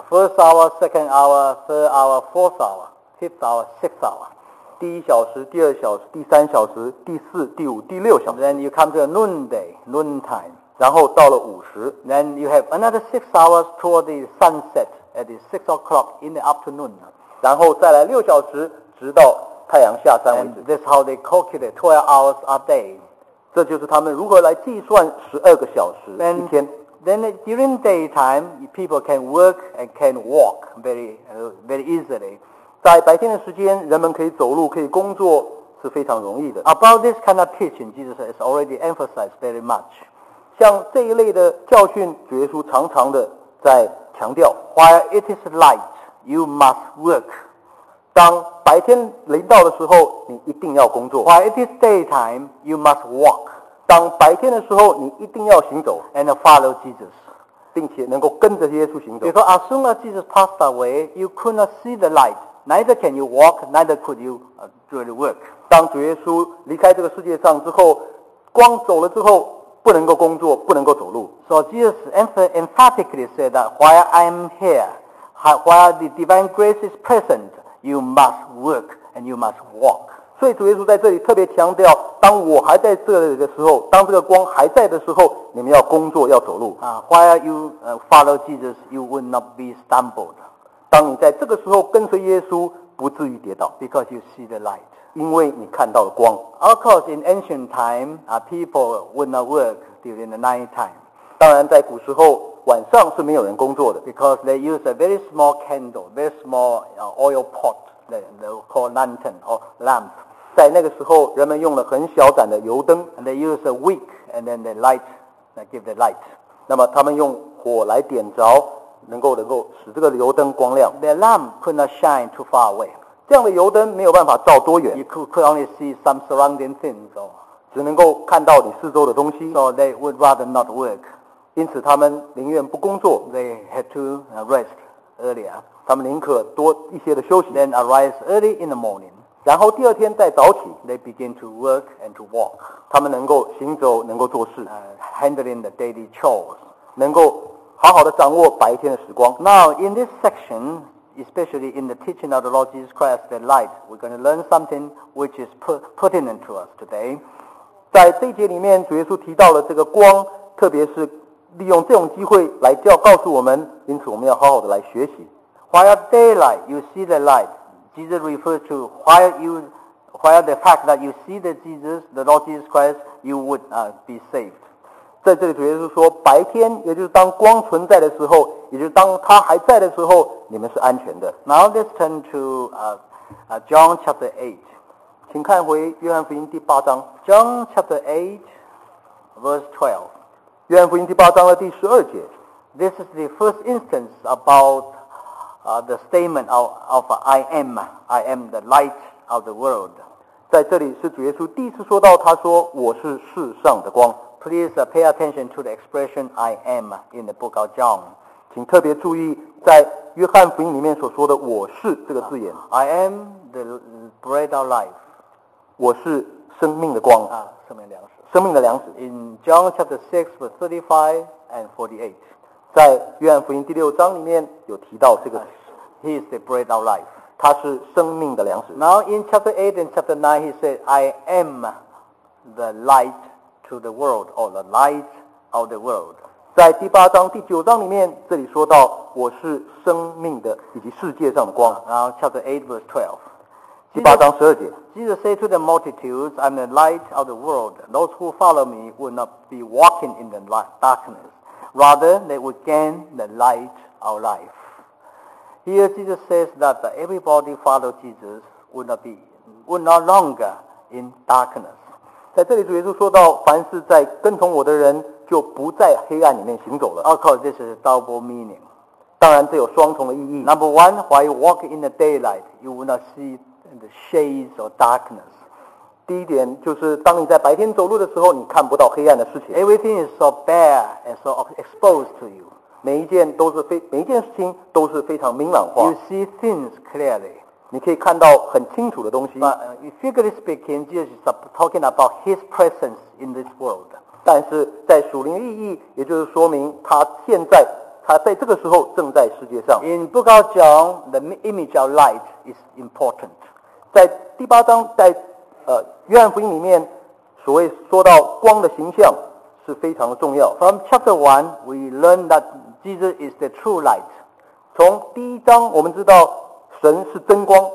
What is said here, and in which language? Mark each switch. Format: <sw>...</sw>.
<en>First hour, second hour, third hour, fourth hour, fifth hour, sixth hour.</en> <zh>第一小时、第二小时、第三小时、第四、第五、第六小时。</zh> <en>Then you come to the noonday, noon time.</en> <zh>然后到了午时</zh> <en>，then you have another 6 hours toward the sunset at the 6 o'clock in the afternoon.</en> <zh>然后再来六小时，直到太阳下山为止。</zh> <en>And this is how they calculate 12 hours a day.</en> <zh>这就是他们如何来计算12个小时一天。</zh> <en>Then during daytime, people can work and can walk very easily.</en> <zh>在白天的时间，人们可以走路，可以工作，是非常容易的。</zh> <en>About this kind of teaching, Jesus has already emphasized very much.</en> <zh>像这一类的教训，主耶稣常常的在强调。</zh> <en>While it is light, you must work.</en> <zh>当白天临到的时候，你一定要工作。</zh> <en>While it is daytime, you must walk.</en> <zh>当白天的时候，你一定要行走。</zh> <en>And follow Jesus.</en> <zh>并且能够跟着耶稣行走。</zh> <en>Because as soon as Jesus passed away, you could not see the light, neither can you walk, neither could you really work.</en> <zh>当主耶稣离开这个世界上之后，光走了之后，不能够工作，不能够走路。</zh> <en>So Jesus emphatically said that while I am here, while the divine grace is present, you must work and you must walk.</en> <zh>所以主耶稣在这里特别强调，当我还在这里的时候，当这个光还在的时候，你们要工作，要走路。</zh> <en>While you follow Jesus, you will not be stumbled.</en> <zh>当你在这个时候跟随耶稣，不至于跌倒。</zh> <en>Because you see the light.</en> <zh>因为你看到了光。</zh> <en>Of course, in ancient time, people would not work during the night time.</en> <zh>当然，在古时候，晚上是没有人工作的。</zh> <en>Because they used a very small candle, very small oil pot, they call lantern or lamp.</en> <zh>在那个时候，人们用了很小盏的油灯。</zh> <en>And they used a wick, and then they light, they give the light.</en> <zh>那么他们用火来点着，能够使这个油灯光亮。</zh> <en>The lamp could not shine too far away.</en> <zh>这样的油灯没有办法照多远。</zh> <en>You could only see some surrounding things,</en> <zh>只能够看到你四周的东西。</zh> <en>So they would rather not work.</en> <zh>因此他们宁愿不工作。</zh> <en>They had to rest earlier.</en> <zh>他们宁可多一些的休息。</zh> <en>Then arise early in the morning.</en> <zh>然后第二天再早起。</zh> <en>They begin to work and to walk.</en> <zh>他们能够行走，能够做事。</zh> <en>Handling the daily chores.</en> <zh>能够好好的掌握白天的时光。</zh> <en>Now, in this section,especially in the teaching of the Lord Jesus Christ, the light, we're going to learn something which is pertinent to us today.</en> <zh>在这节里面，主耶稣提到了这个光，特别是利用这种机会来告诉我们，因此我们要好好的来学习。</zh> <en>While daylight, you see the light. Jesus refers to while the fact that you see the Lord Jesus Christ, you would be saved.</en> <zh>在这里主耶稣说白天也就是当光存在的时候也就是当他还在的时候你们是安全的。</zh> <en>Now let's turn to John chapter 8.</en> <zh>请看回约翰福音第八章。</zh> <en>John chapter 8 verse 12.</en> <zh>约翰福音第八章的第十二节。</zh> <en>This is the first instance about the statement of I am. I am the light of the world.</en> <zh>在这里是主耶稣第一次说到他说我是世上的光。</zh> <en>Please pay attention to the expression I am in the book of John.</en> <zh>请特别注意在约翰福音里面所说的我是这个字眼。</zh> <en>I am the bread of life.</en> <zh>我是生命的光。生命粮食。生命的粮食。</zh> <en>In John chapter 6 verse 35 and 48.</en> <zh>在约翰福音第六章里面有提到这个。</zh> <en>He is the bread of life.</en> <zh>他是生命的粮食。</zh> <en>Now in chapter 8 and chapter 9 he said I am the light. To the world, or the light of the world.</en> <zh>在第八章、第九章里面，这里说到我是生命的以及世界上的光。然后</zh> <en>chapter 8 verse 12.</en> <zh>第八章十二节。</zh> <en>Jesus said to the multitudes, I'm the light of the world. Those who follow me will not be walking in the darkness. Rather, they will gain the light of life. Here Jesus says that everybody follow Jesus will no longer in darkness.</en> <zh>在这里主耶稣说到凡是在跟从我的人就不在黑暗里面行走了。</zh> <en>Of course, this is a double meaning.</en> <zh>当然这有双重的意义。</zh> <en>Number one, while you walk in the daylight, you will not see the shades or darkness.</en> <zh>第一点就是当你在白天走路的时候你看不到黑暗的事情。</zh> <en>Everything is so bare and so exposed to you.</en> <zh>每一件事情都是非常明朗化。</zh> <en>You see things clearly.</en> <zh>你可以看到很清楚的东西。</zh> <en>Figuratively speaking, Jesus is talking about his presence in this world.</en> <zh>但是在属灵意义，也就是说明他在这个时候正在世界上。</zh> <en>In Book of John, the image of light is important.</en> <zh>在第八章，在约翰福音里面，所谓说到光的形象是非常的重要。</zh> <en>From chapter 1, we learn that Jesus is the true light.</en> <zh>从第一章我们知道神是真光</zh>